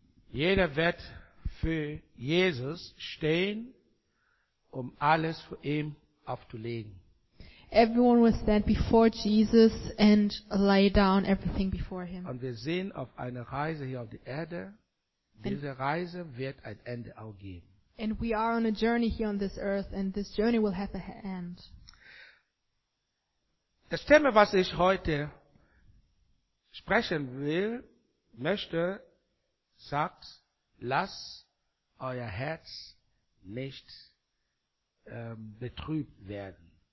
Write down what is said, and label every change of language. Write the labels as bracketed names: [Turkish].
[German] Jeder wird für Jesus stehen, um alles für ihn aufzulegen. [English] Everyone will stand before Jesus and lay down everything before him. [German] Und wir sind auf einer Reise hier auf der Erde. Diese Reise wird ein Ende auch geben. [English] And we are on a journey here on this earth, and this journey will have an end. [German] Das Thema, was ich heute sprechen will, möchte, sagt, lass euer Herz nicht betrübt werden.